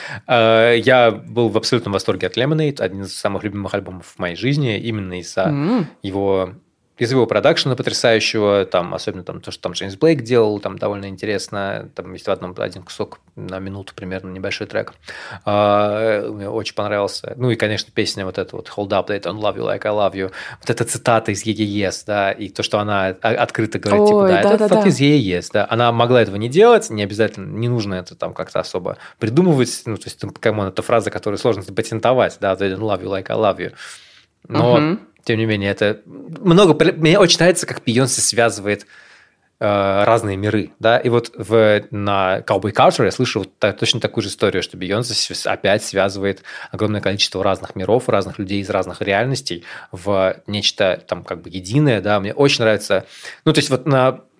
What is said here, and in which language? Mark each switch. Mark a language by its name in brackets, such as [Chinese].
[Russian] Я был в абсолютном восторге от Lemonade, один из самых любимых альбомов в моей жизни, именно из-за его... Из его продакшена потрясающего, там, особенно там, то, что там Джеймс Блейк делал, там довольно интересно. Там есть в одном один кусок на минуту примерно, небольшой трек. Мне очень понравился. Ну и, конечно, песня вот эта вот [English] «Hold up, they don't love you [Russian] like I love you». Вот эта цитата из «Yes», да, и то, что она открыто говорит, типа, да, это цитата из «Yes», да. Она могла этого не делать, не обязательно, не нужно это там как-то особо придумывать. Ну, то есть, там, камон, это фраза, которую сложно запатентовать, да, [English] «They don't love you [Russian] like I love you». Но... Тем не менее, это много... Мне очень нравится, как Бейонсе связывает разные миры, да, и вот на Cowboy Carter я слышал вот точно такую же историю, что Бейонсе опять связывает огромное количество разных миров, разных людей из разных реальностей в нечто там как бы единое, да, мне очень нравится, ну, то есть вот на